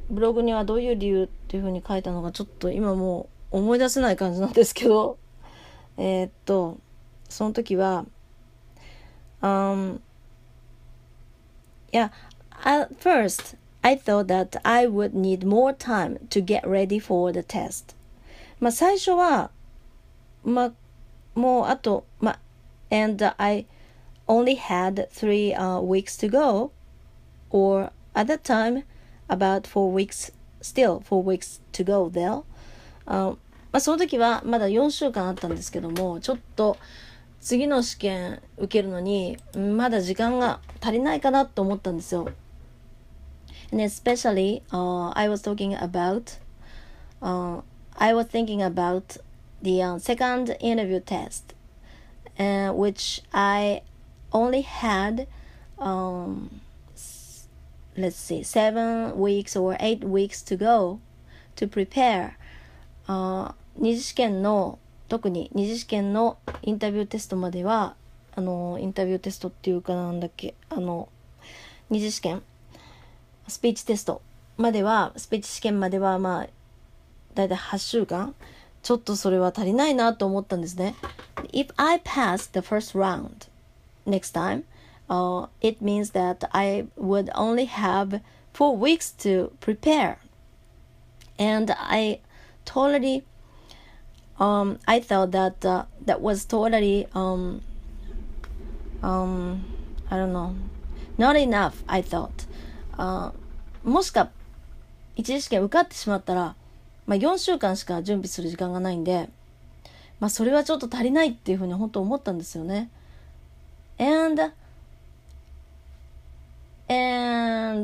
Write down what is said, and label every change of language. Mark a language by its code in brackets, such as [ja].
[ja] ブログにはどういう理由っていうふうに書いたのか、ちょっと今もう思い出せない感じなんですけど。その時は、 [en] first, I thought that I would need more time to get ready for the test. [ja] 最初は、もうあと、 [en] I only had 3 weeks to go, or at that time, about 4 weeks, still 4 weeks to go there. [ja] その時はまだ4週間あったんですけども、ちょっと次の試験受けるのに、まだ時間が足りないかなと思ったんですよ。 [en] And especially, I was talking about, I was thinking about the second interview test, which I only had, let's see, 7 weeks or 8 weeks to go to prepare. [ja] 二次試験の、特に二次試験のインタビューテストまでは、インタビューテストっていうかなんだっけ、二次試験、スピーチテストまでは、スピーチ試験までは、だいたい8週間。ちょっとそれは足りないなと思ったんですね。 [en] If I pass the first round, next time, it means that I would only have 4 weeks to prepare. And I thought that that was totally I don't know, not enough, I thought. [ja] もしか一次試験受かってしまったら、4週間しか準備する時間がないんで、それはちょっと足りないっていうふうに本当思ったんですよね。 [en] And